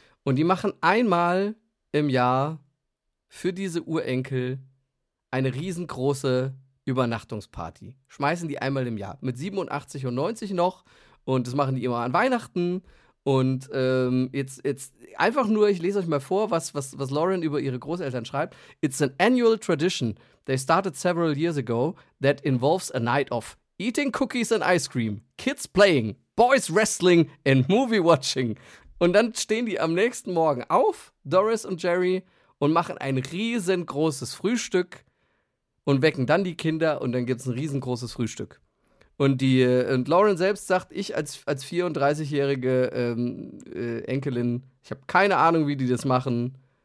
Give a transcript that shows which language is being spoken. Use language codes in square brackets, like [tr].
[de] Und die machen einmal im Jahr für diese Urenkel eine riesengroße Übernachtungsparty. Schmeißen die einmal im Jahr. Mit 87 und 90 noch. Und das machen die immer an Weihnachten. Und jetzt einfach nur, ich lese euch mal vor, was Lauren über ihre Großeltern schreibt. [en] It's an annual tradition. They started several years ago that involves a night of eating cookies and ice cream, kids playing, boys wrestling and movie watching. [de] Und dann stehen die am nächsten Morgen auf, Doris und Jerry, und machen ein riesengroßes Frühstück und wecken dann die Kinder und dann gibt's ein riesengroßes Frühstück. Und Lauren selbst sagt, ich als 34-jährige Enkelin, ich habe keine Ahnung, wie die das machen.